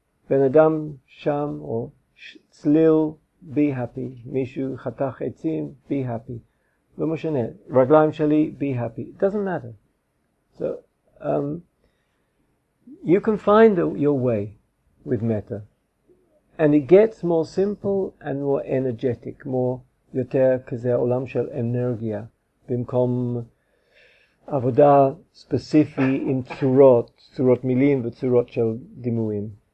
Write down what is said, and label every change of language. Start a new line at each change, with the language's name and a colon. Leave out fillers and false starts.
Hebrew: בן אדם שם, או צליל,
English: be happy.
Hebrew: מישהו חתך עצים, be happy. לא משנה, רגליים שלי, be happy.
English: It doesn't matter. So, you can find your way with metta. And it gets more simple and more energetic, more
Hebrew: יותר כזה עולם של אנרגיה, במקום עבודה ספציפי עם צורות, צורות מילים וצורות של דימויים.